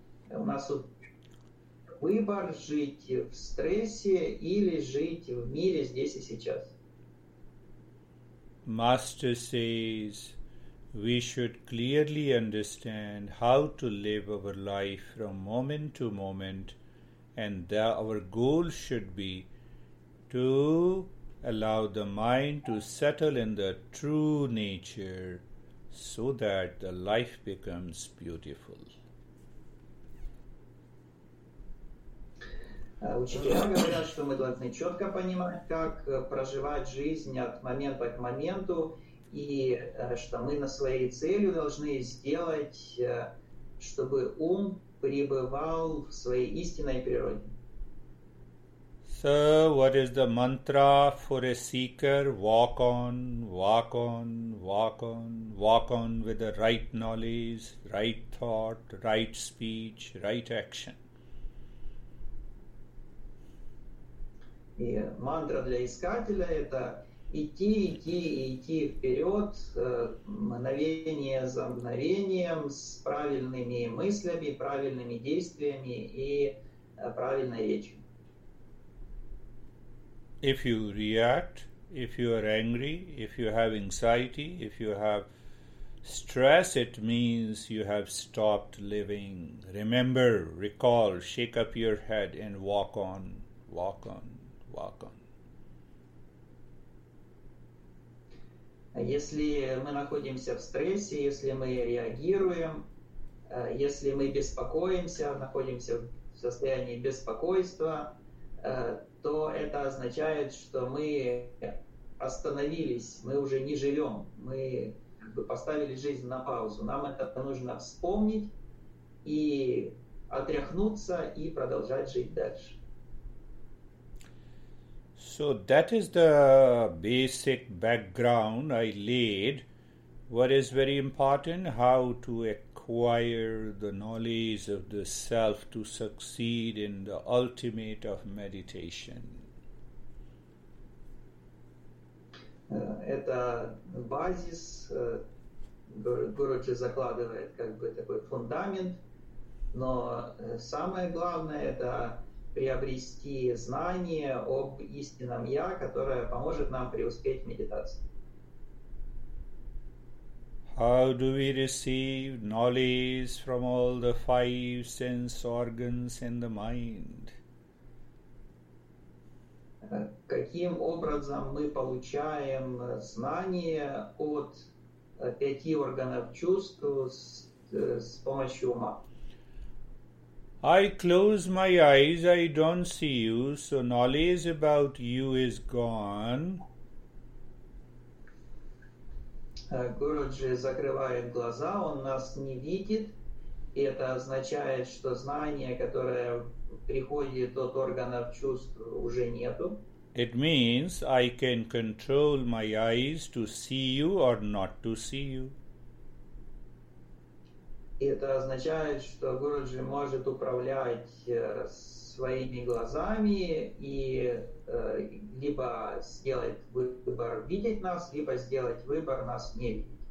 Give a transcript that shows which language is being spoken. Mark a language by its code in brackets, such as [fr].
[ru] У нас выбор жить в стрессе или жить в мире здесь и сейчас. [en] Master says we should clearly understand how to live our life from moment to moment, and that our goal should be to allow the mind to settle in the true nature so that the life becomes beautiful. [ru] Учителя говорят, что мы должны четко понимать, как проживать жизнь от момента к моменту, и что мы на своей целью должны сделать, чтобы ум пребывал в своей истинной природе. [en] So, what is the mantra for a seeker? Walk on with the right knowledge, right thought, right speech, right action. [ru] Мантра для искателя – это идти вперед, мгновение за мгновением, с правильными мыслями, правильными действиями и правильной речью. [en] If you react, if you are angry, if you have anxiety, if you have Stress, it means you have stopped living. Remember, recall, shake up your head and walk on, walk on, walk on. [ru] Если мы находимся в стрессе, если мы реагируем, если мы беспокоимся, находимся в состоянии беспокойства, то это означает, что мы остановились, мы уже не живем, мы как бы поставили жизнь на паузу. Нам это нужно вспомнить и отряхнуться и продолжать жить дальше. [en] So that is the basic background I laid. What is very important? How to acquire the knowledge of the self to succeed in the ultimate of meditation. [ru] Это базис, Гуруджи закладывает как бы такой фундамент, но самое главное это приобрести знание об истинном я, которое поможет нам преуспеть в медитации. [en] How do we receive knowledge from all the five sense organs in the mind? [ru] Каким образом мы получаем знание от пяти органов чувств с помощью ума? [en] I close my eyes, I don't see you, so knowledge about you is gone. [ru] Гуруджи закрывает глаза, он нас не видит. И это означает, что знание, которое приходит от органов чувств, уже нету. [en] It means I can control my eyes to see you or not to see you. [ru] И это означает, что Гуруджи может управлять своими глазами и либо сделать выбор видеть нас, либо сделать выбор нас не видеть.